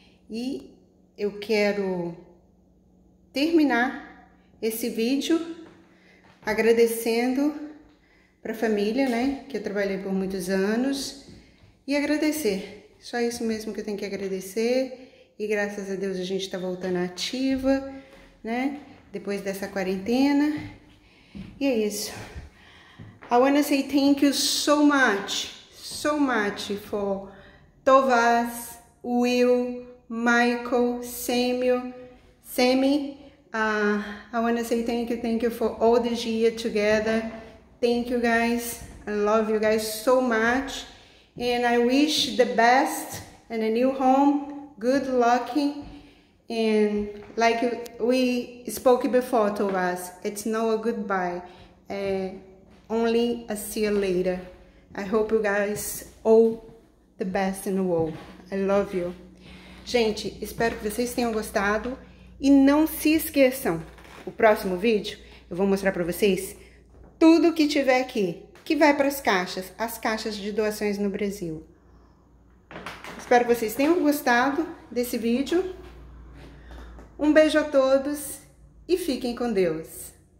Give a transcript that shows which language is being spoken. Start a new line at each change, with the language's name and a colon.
Portuguese: E eu quero terminar esse vídeo agradecendo para a família, né, que eu trabalhei por muitos anos, e agradecer. Só isso mesmo que eu tenho que agradecer. E graças a Deus a gente está voltando à ativa, né, depois dessa quarentena. E é isso.
English: I wanna say thank you so much. So much for Tovas, Will, Michael, Sammy. I want to say thank you for all this year together. Thank you guys. I love you guys so much. And I wish the best and a new home. Good luck. And like we spoke before, Tovas, it's not a goodbye. Only a see you later. I hope you guys all the best in the world. I love you.
Portuguese: Gente, espero que vocês tenham gostado. E não se esqueçam, o próximo vídeo eu vou mostrar para vocês tudo que tiver aqui, que vai para as caixas de doações no Brasil. Espero que vocês tenham gostado desse vídeo. Um beijo a todos e fiquem com Deus.